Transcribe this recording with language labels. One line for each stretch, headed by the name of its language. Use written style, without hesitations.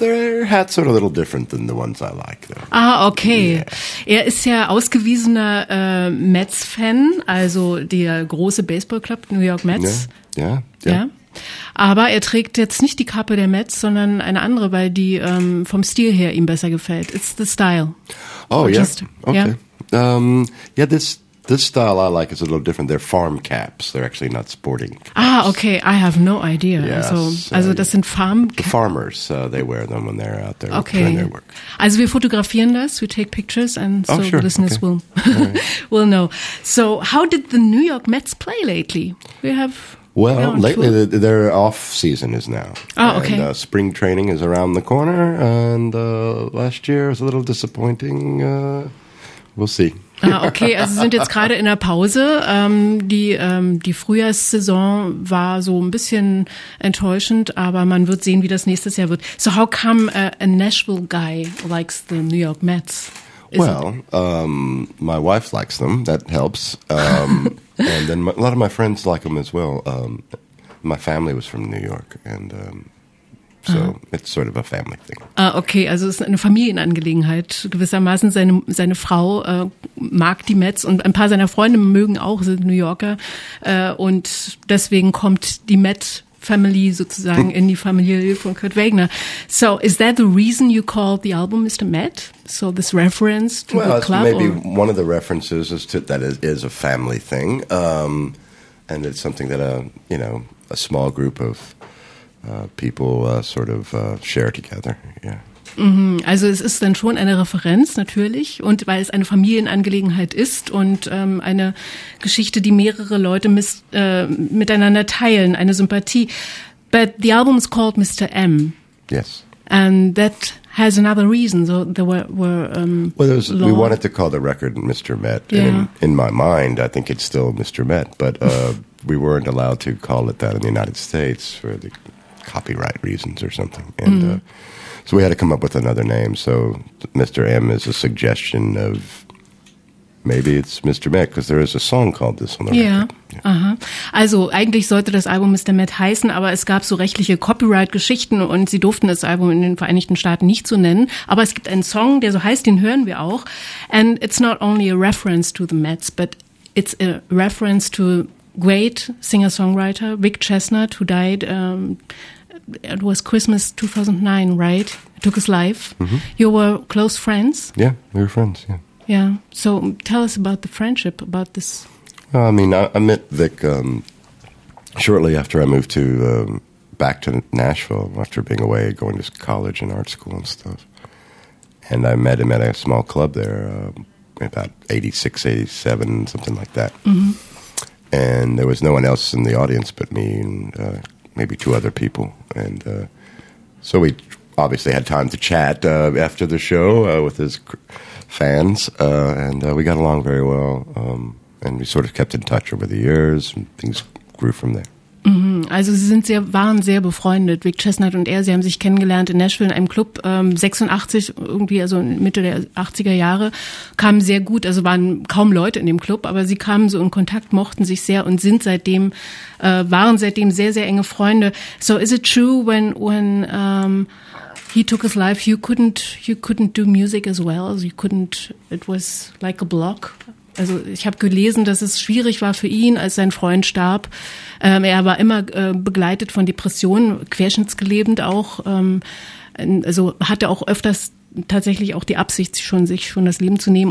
English: Their hats are a little different than the ones I like, though. Ah, okay. Yeah.
German: Er ist ja ausgewiesener Mets-Fan, also der große Baseball-Club New York Mets.
English: Yeah.
German: Aber er trägt jetzt nicht die Kappe der Mets, sondern eine andere, weil die vom Stil her ihm besser gefällt.
English: It's the style. Oh, yeah. Just, okay. Yeah, yeah, this style I like is a little different. They're farm caps. They're actually not sporting caps. Ah, okay. I have no idea. Yes,
German: also das sind Farm caps.
English: The farmers, they wear them when they're out there doing their work.
German: Also wir fotografieren das.
English: We take pictures and so listeners will will know. So how did the New York Mets play lately? We have... Well, lately their off season is now. Oh, okay. And spring training is around the corner, and last year was a little disappointing. We'll see.
German: Ah, okay, also sind jetzt gerade in der Pause. Die Frühjahrssaison war so ein bisschen enttäuschend, aber man wird sehen, wie das nächstes Jahr wird.
English: So how come a Nashville guy likes the New York Mets? Well, my wife likes them. That helps. and then a lot of my friends like them as well. My family was from New York, and so it's sort of a family thing.
German: Ah, okay, also es ist eine Familienangelegenheit gewissermaßen. Seine Frau mag die Mets und ein paar seiner Freunde mögen auch, sind New Yorker, und deswegen kommt die Mets Family sozusagen in die Familie von Kurt Wagner.
English: So, is that the reason you called the album Mr. Met? So this reference to the club? Well, maybe or? One of the references is to that it is a family thing, and it's something that a small group of people sort of share together. Yeah. Mm-hmm.
German: Also es ist dann schon eine Referenz natürlich, und weil es eine Familienangelegenheit ist und eine Geschichte, die mehrere Leute miteinander teilen, eine Sympathie.
English: But the album is called Mr. M. Yes. And that has another reason. So there were We wanted to call the record Mr. Met. Yeah. In my mind, I think it's still Mr. Met, but we weren't allowed to call it that in the United States for the copyright reasons or something. And so we had to come up with another name. So Mr. M is a suggestion of maybe it's Mr. Met, because there is a song called this on the record.
German: Aha. Also eigentlich sollte das Album Mr. Met heißen, aber es gab so rechtliche Copyright-Geschichten und sie durften das Album in den Vereinigten Staaten nicht so nennen. Aber es gibt einen Song, der so heißt, den hören wir auch.
English: And it's not only a reference to the Mets, but it's a reference to great singer-songwriter Rick Chestnut, who died... it was Christmas 2009, right? It took his life. Mm-hmm. You were close friends? Yeah, we were friends, yeah. Yeah. So tell us about the friendship, about this. I mean, I met Vic shortly after I moved to back to Nashville, after being away, going to college and art school and stuff. And I met him at a small club there, about 86, 87, something like that. Mm-hmm. And there was no one else in the audience but me and... maybe two other people, and so we obviously had time to chat after the show with his fans, and we got along very well, and we sort of kept in touch over the years, and things grew from there. Mm-hmm.
German: Also sie sind sehr befreundet, Rick Chestnut und er. Sie haben sich kennengelernt in Nashville in einem Club, 86 irgendwie, also Mitte der 80er Jahre, kamen sehr gut, also waren kaum Leute in dem Club, aber sie kamen so in Kontakt, mochten sich sehr und sind seitdem, waren seitdem sehr, sehr enge Freunde.
English: So is it true when he took his life, you couldn't do music as well, so you couldn't, it was like a block?
German: Also ich habe gelesen, dass es schwierig war für ihn, als sein Freund starb. Er war immer begleitet von Depressionen, querschnittsgelähmt auch. also hatte auch öfters tatsächlich auch die Absicht, sich schon das Leben zu nehmen.